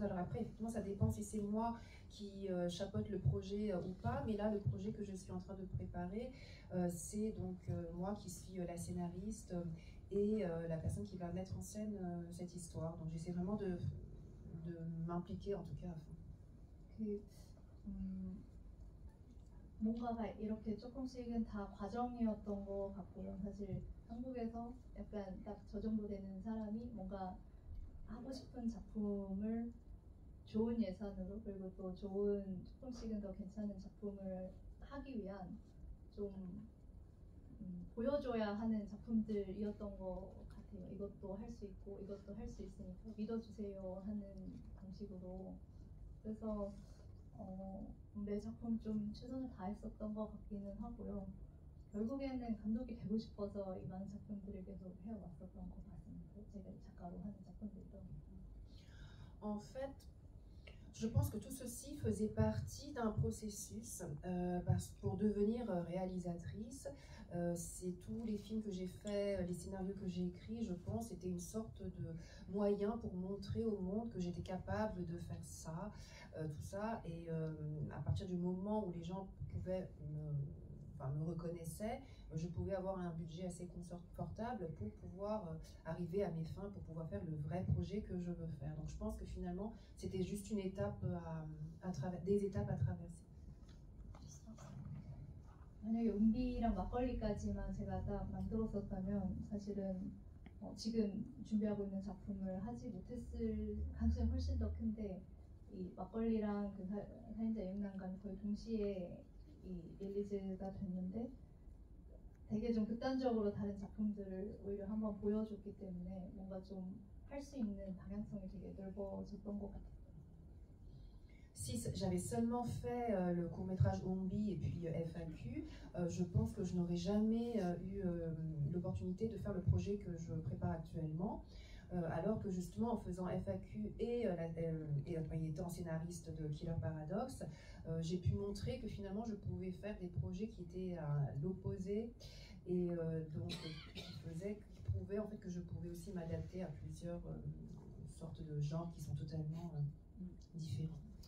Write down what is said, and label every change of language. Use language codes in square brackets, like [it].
[fr] Alors après, effectivement, ça dépend si c'est moi qui chapeaute le projet ou pas, mais là le projet que je suis en train de préparer, c'est donc moi qui suis la scénariste et la personne qui va mettre en scène cette histoire. Donc j'essaie vraiment de m'impliquer en tout cas à fond. [ko] 뭔가가 이렇게 조금씩은 다 과정이었던 거 같고요. 사실 한국에서 약간 딱 저 정도 되는 사람이 뭔가 하고 싶은 작품을 좋은 예산으로 그리고 또 좋은 조금씩은 더 괜찮은 작품을 하기 위한 좀 보여줘야 하는 작품들이었던 것 같아요. 이것도 할 수 있고 이것도 할 수 있으니까 믿어주세요 하는 방식으로 그래서 내 작품 좀 최선을 다했었던 것 같기는 하고요. 결국에는 감독이 되고 싶어서 이 많은 작품들을 계속 해왔었던 것 같습니다. 제가 작가로 하는 작품들도. [fr] En fait, je pense que tout ceci faisait partie d'un processus pour devenir réalisatrice. C'est tous les films que j'ai faits, les scénarios que j'ai écrits, je pense, c'était une sorte de moyen pour montrer au monde que j'étais capable de faire ça, tout ça. Et à partir du moment où les gens pouvaient me reconnaissaient, je pouvais avoir un budget assez confortable pour pouvoir arriver à mes fins, pour pouvoir faire le vrai projet que je veux faire. Donc je pense que finalement, c'était juste une étape des étapes à traverser. [ko] 만약에 은비랑 막걸리까지만 제가 딱 만들었었다면 사실은 지금 준비하고 있는 작품을 하지 못했을 가능성이 훨씬 더 큰데 이 막걸리랑 그 사인자 영남간 거의 동시에 이 릴리즈가 됐는데 되게 좀 극단적으로 다른 작품들을 오히려 한번 보여줬기 때문에 뭔가 좀 할 수 있는 방향성이 되게 넓어졌던 것 같아요. [fr] Si j'avais seulement fait le court-métrage Umbi et puis FAQ, je pense que je n'aurais jamais eu l'opportunité de faire le projet que je prépare actuellement. Alors que justement, en faisant FAQ et étant scénariste de Killer Paradox, j'ai pu montrer que finalement, je pouvais faire des projets qui étaient à l'opposé et donc qui prouvaient en fait que je pouvais aussi m'adapter à plusieurs sortes de genres qui sont totalement différents.